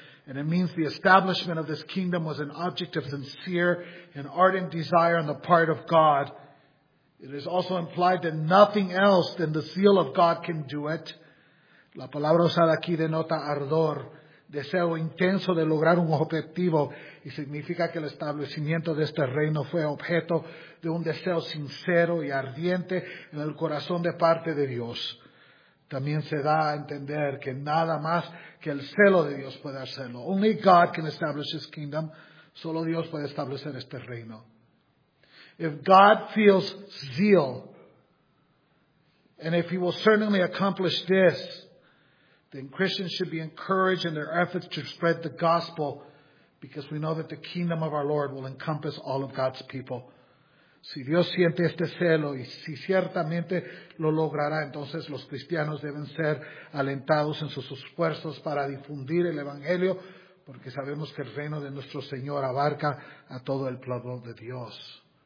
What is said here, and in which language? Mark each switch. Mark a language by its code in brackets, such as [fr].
[en] And it means the establishment of this kingdom was an object of sincere and ardent desire on the part of God. It is also implied that nothing else than the zeal of God can do it. [es] La palabra usada aquí denota ardor, deseo intenso de lograr un objetivo, y significa que el establecimiento de este reino fue objeto de un deseo sincero y ardiente en el corazón de parte de Dios. También se da a entender que nada más que el celo de Dios puede hacerlo. [en] Only God can establish His kingdom. [es] Solo Dios puede establecer este reino. [en] If God feels zeal, and if He will certainly accomplish this, then Christians should be encouraged in their efforts to spread the gospel, because we know that the kingdom of our Lord will encompass all of God's people. [es] Si Dios siente este celo y si ciertamente lo logrará, entonces los cristianos deben ser alentados en sus esfuerzos para difundir el evangelio, porque sabemos que el reino de nuestro Señor abarca a todo el pueblo de Dios.